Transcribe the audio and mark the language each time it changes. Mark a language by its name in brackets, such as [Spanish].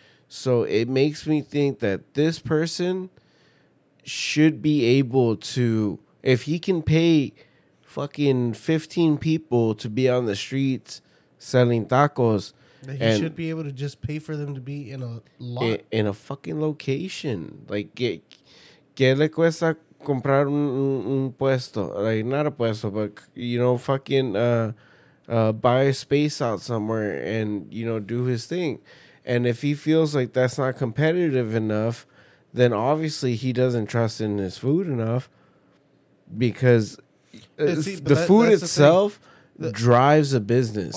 [English] So it makes me think that this person should be able to, if he can pay fucking 15 people to be on the streets selling tacos, that he should be able to just pay for them to be in a lot. In a fucking location. Like, [Spanish] ¿qué le cuesta comprar un puesto? [English] Like, not a puesto, but, you know, fucking buy a space out somewhere and, you know, do his thing. And if he feels like that's not competitive enough, then obviously he doesn't trust in his food enough. Because the food itself drives a business.